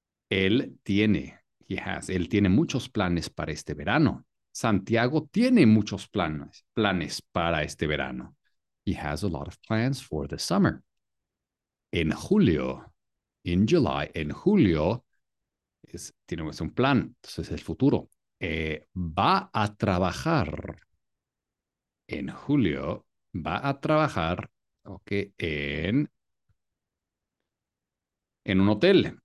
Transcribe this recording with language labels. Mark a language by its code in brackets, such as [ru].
[es] Él tiene, [en] he has, [es] él tiene muchos planes para este verano. Santiago tiene muchos planes para este verano. [en] He has a lot of plans for the summer. [es] En julio, [en] in July, [es] en julio, tiene un plan, entonces es el futuro. Va a trabajar. En julio, va a trabajar, ok, en un hotel.